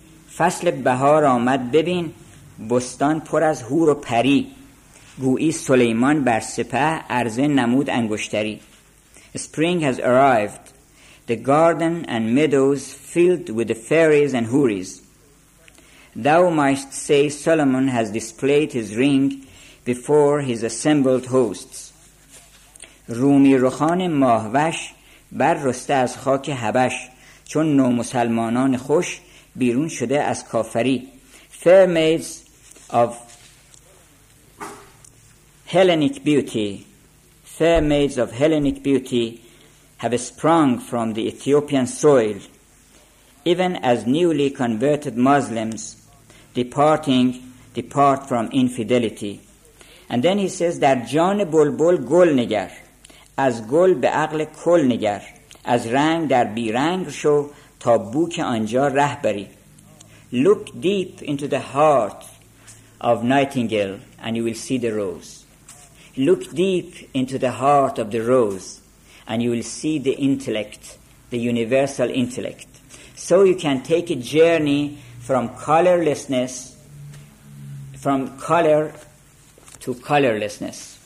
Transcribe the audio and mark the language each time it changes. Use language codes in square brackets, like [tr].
[fa] فصل بهار آمد ببین بستان پر از حور و پری گویی سلیمان بر سپه ارزه نمود انگشتری. [en] Spring has arrived, the garden and meadows filled with the fairies and houris. thou mightst say Solomon has displayed his ring before his assembled hosts. [fa] رومی روحان ماهوش بر رسته از خاک حبش چون نو مسلمانان خوش بیرون شده از کافری. [en] Fair maids of Hellenic beauty, fair maids of Hellenic beauty have sprung from the Ethiopian soil, even as newly converted Muslims depart from infidelity. And then he says, [fa] در جان بلبل گل نگر، از گل به عقل کل نگر، از رنگ در بی رنگ شو تا بو که آنجا ره بری. [en] Look deep into the heart of nightingale and you will see the rose. Look deep into the heart of the rose and you will see the intellect, the universal intellect. So you can take a journey from colorlessness, from color to colorlessness.